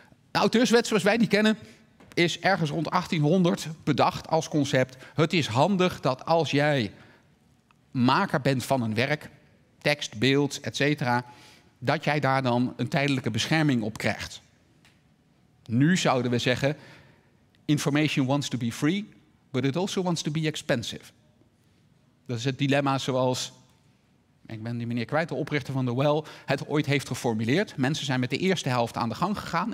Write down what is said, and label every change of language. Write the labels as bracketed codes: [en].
[nl] De auteurswet, zoals wij die kennen, is ergens rond 1800 bedacht als concept. Het is handig dat als jij maker bent van een werk, tekst, beeld, etc., dat jij daar dan een tijdelijke bescherming op krijgt. Nu zouden we zeggen, [en] information wants to be free, but it also wants to be expensive. [nl] Dat is het dilemma zoals, ik ben die meneer kwijt, de oprichter van de Well, het ooit heeft geformuleerd. Mensen zijn met de eerste helft aan de gang gegaan.